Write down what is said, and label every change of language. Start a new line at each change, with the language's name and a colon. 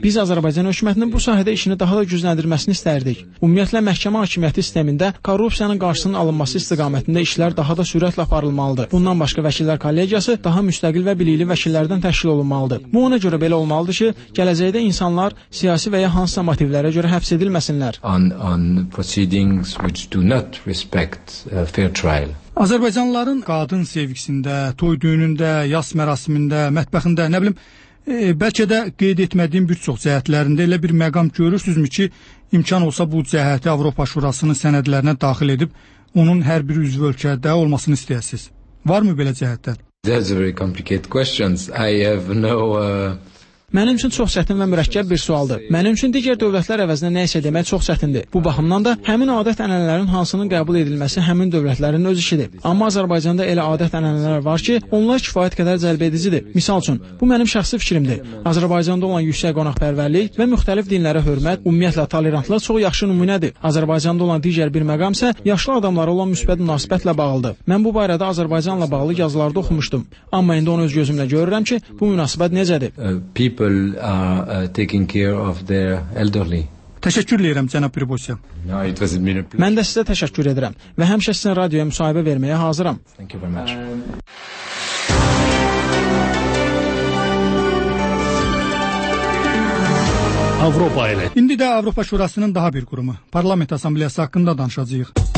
Azerbaijani: Biz Azərbaycan hökumətinin bu sahədə işini daha da gücləndirməsini istərdik. Ümumiyyətlə məhkəmə hakimiyyəti sistemində korrupsiyanın qarşısının alınması istiqamətində işlər daha da sürətlə aparılmalıdır. Bundan başqa vəkillər kollegiyası daha müstəqil və bilikli vəkillərdən təşkil olunmalıdır. Bu ona görə belə olmalıdır ki, gələcəkdə insanlar siyasi və ya hansısa motivlərə görə həbs edilməsinlər.
English: On proceedings which do not respect fair trial.
Azerbaijani: Azərbaycanlıların qadın sevgisində, toy düyünündə, yas mərasimində, mətbəxində, nə bilim, bəlkə də qeyd etmədiyim bir çox cəhətlərində elə bir məqam görürsünüzmü ki, imkan olsa bu cəhəti Avropa Şurasının sənədlərinə daxil edib, onun hər bir üzv ölkədə olmasını istəyəsiniz? Varmı belə cəhətlər?
English: That's a very complicated questions. I have no
Azerbaijani: Mənim üçün çox çətin və mürəkkəb bir sualdır. Mənim üçün digər dövlətlər əvəzinə nə isə demək çox çətindir. Bu baxımdan da həmin adət-ənənələrin hansının qəbul edilməsi həmin dövlətlərin öz işidir. Amma Azərbaycanda elə adət-ənənələr var ki, onlar kifayət qədər cəlbedicidir. Misal üçün, bu mənim şəxsi fikrimdir. Azərbaycanda olan yüksək qonaqpərvərlik və müxtəlif dinlərə hörmət ümumiyyətlə tolerantlıq çox yaxşı nümunədir. Azərbaycanda olan digər bir məqam isə yaşlı adamlara olan müsbət münasibətlə bağlıdır. Mən bu barədə Azərbaycanla bağlı yazılarda oxumuşdum. Amma indi onu öz gözümlə görürəm ki, bu münasibət necədir?
English: People are taking care of their elderly.
Azerbaijani: Təşəkkür edirəm, cənab Pribosya. Mən də sizə təşəkkür edirəm və həmişə sizin radioya müsahibə verməyə hazıram.
English: Thank you very much.
Azerbaijani: Avropa ilə. İndi də Avropa Şurasının daha bir qurumu, Parlament Assambleyası haqqında danışacağıq.